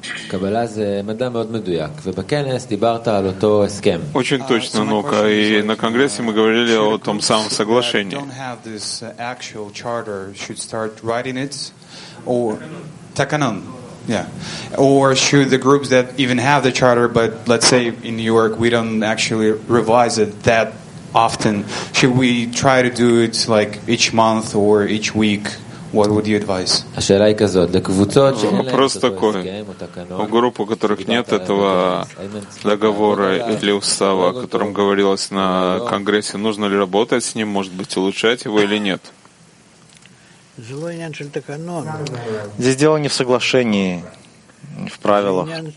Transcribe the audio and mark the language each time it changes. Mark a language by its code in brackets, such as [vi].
[he] קבלה זה מדע מאוד מדויק, ובכנס דיברת על אותו הסכם. [ru] Очень точно, наука, и на конгрессе мы говорили о том самом соглашении. [en] Don't have this actual charter, should start writing it, or takanon. Yeah. Or should the groups that even have the charter, but let's say in New York we don't actually revise it that often, should we try to do it like each month or each week? What would you advise? [ru] Вопрос такой. У групп, у которых нет этого договора или устава, о котором говорилось на конгрессе, нужно ли работать с ним, может быть, улучшать его или нет? Здесь дело не в соглашении, не в правилах.